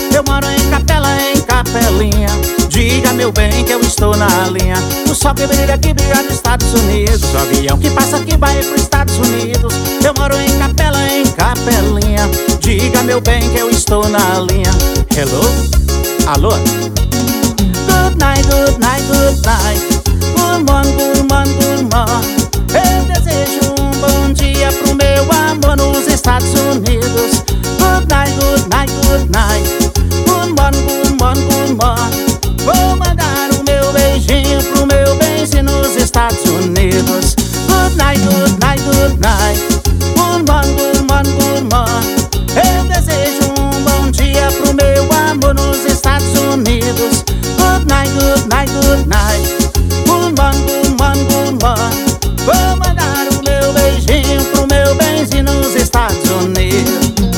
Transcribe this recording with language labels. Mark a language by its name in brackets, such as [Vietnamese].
[Portuguese] Eu moro em Capela, em Capelinha, diga meu bem que eu estou na linha. O sol que brilha nos Estados Unidos, o avião que passa aqui vai pros Estados Unidos. Eu moro em Capela, em Capelinha, diga meu bem que eu estou na linha. [English] Hello? [Portuguese] Alô? [English] Good night, good night, good night. Good morning, good morning, good morning. [Portuguese] Eu desejo um bom dia pro meu amor nos Estados Unidos. [English] Good night, good night, good night. Good morning, good morning, good morning. [Portuguese] Vou mandar o meu beijinho pro meu benzinho nos Estados Unidos. [English] Good night, good night, good night. Good morning, good morning, good morning. [Portuguese] Eu desejo um bom dia pro meu amor nos Estados Unidos. [English] Good night, good night, good night. Good morning, good morning, good morning. [Portuguese] Vou mandar o meu beijinho pro meu benzinho nos Estados Unidos.